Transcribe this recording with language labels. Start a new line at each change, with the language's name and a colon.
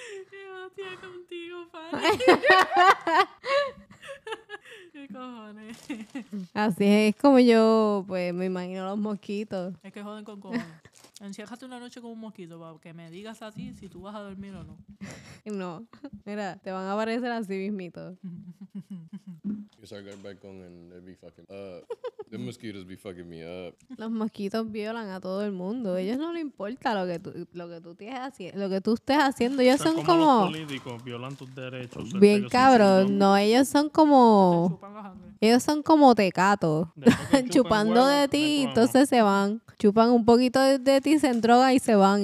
Spanish: Qué hostia contigo, Fanny. Qué cojones. Así es como yo, pues, me imagino los mosquitos. Es que joden con cojones. Enciérjate una noche con un mosquito para que me digas a ti si tú vas a dormir o no. No, mira, te van a aparecer así mismito.
English: You start going back on and they be fucking up. The mosquitoes be fucking me up.
Spanish: Los mosquitos violan a todo el mundo. A ellos no les importa lo que tú estés haciendo. Ellos son como los políticos, violan tus derechos. Bien cabrón, no, ellos son como... Ellos son como tecatos. Chupando de ti, entonces se van. Chupan un poquito de ti, se droga y se van.